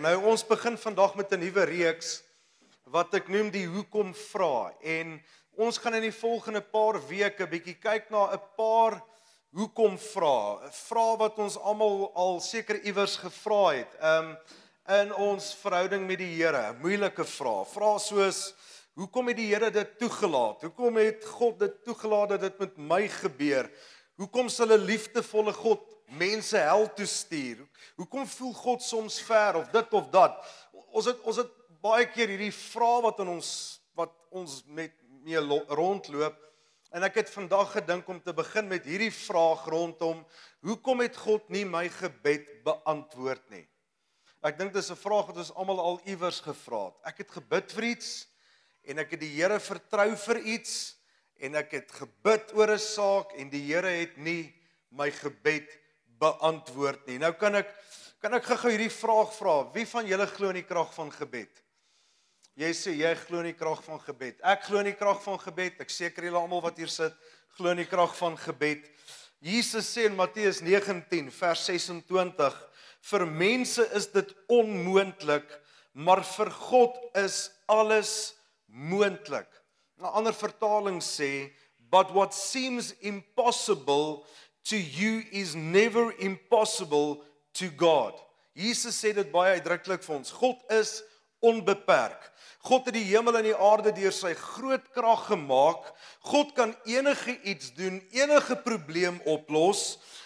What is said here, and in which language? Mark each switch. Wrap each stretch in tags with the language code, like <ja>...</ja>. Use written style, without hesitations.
<af>Nou ons begin vandag met 'n nuwe reeks wat ek noem die hoekom vra en ons gaan in die volgende paar weke bietjie kyk na 'n paar hoekom vra. 'n Vraag wat ons almal al seker iewers gevra het. In ons verhouding met die Here, moeilike vrae. Vrae soos hoekom het die Here dit toegelaat? Hoekom het God dit toegelaat dat dit met my gebeur? Hoekom sal 'n liefdevolle God mense hel toe stuur? Hoekom voel God soms ver of dit of dat? Ons het baie keer hierdie vrae wat in ons mee rondloop. En ek het vandag gedink om te begin met hierdie vraag rondom hoekom het God nie my gebed beantwoord nie? Ek dink dis 'n vraag wat ons almal al iewers gevra het. Ek het gebid vir iets en ek het die Here vertrou vir iets en ek het gebid oor 'n saak en die Here het nie my gebed beantwoord nie. Nou kan ek gou-gou hierdie vraag vra. Wie van julle glo in die krag van gebed? Jy sê jy glo in die krag van gebed. Ek glo in die krag van gebed. Ek seker julle almal wat hier sit glo in die krag van gebed. Jesus sê in Matteus 19 vers 26: vir mense is dit onmoontlik, maar vir God is alles moontlik. 'n Ander vertaling sê,</af> <en>but what seems impossible to you is never impossible to God.</en> <af>Jesus sê dit baie uitdruklik vir ons. God is onbeperk. God het die hemel en die aarde deur sy groot krag gemaak. God kan enige iets doen, enige probleem oplos.</af>